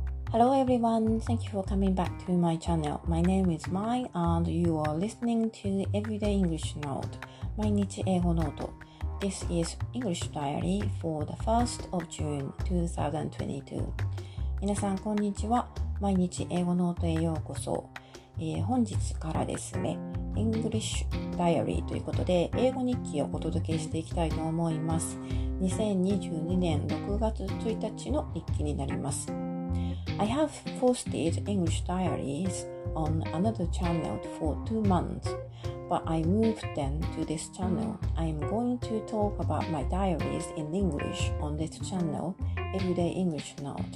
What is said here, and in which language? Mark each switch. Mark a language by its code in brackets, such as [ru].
[en] Hello everyone, thank you for coming back to my channel. My name is Mai and you are listening to Everyday English Note, 毎日英語ノート。 This is English Diary for the 1st of June 2022. [ja] 皆さんこんにちは。毎日英語ノートへようこそ。本日からですね、English Diary ということで英語日記をお届けしていきたいと思います。 2022年6月1日の日記になります。 [en] I have posted English diaries on another channel for 2 months, but I moved them to this channel. I am going to talk about my diaries in English on this channel, Everyday English Note.